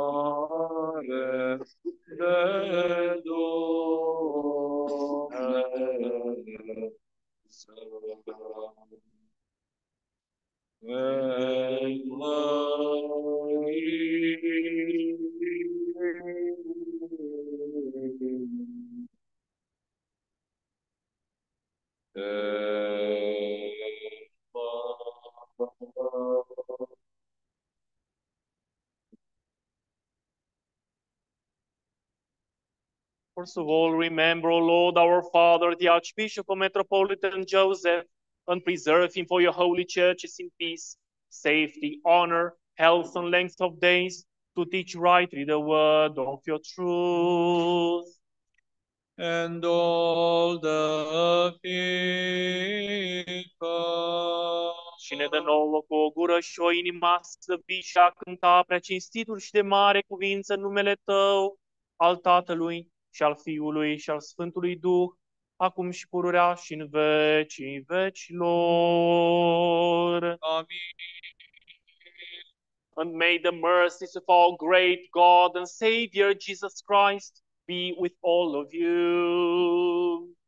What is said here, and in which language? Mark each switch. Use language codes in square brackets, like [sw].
[ro] Dumnezeu, [en] First of all, remember, O Lord, our Father, the Archbishop of Metropolitan Joseph, and preserve him for your holy churches in peace, safety, honor, health, and length of days, to teach rightly the word of your truth. And all the people. [ro] Și ne dă nouă cu o gură și o inimă să vii și a cânta preacinstitul și de mare cuvință în numele Tău, al Tatălui și al Fiului și al Sfântului Duh, acum și pururea și în vecii vecilor. Amin. [en] And may the mercies of our great God and Savior Jesus Christ be with all of you.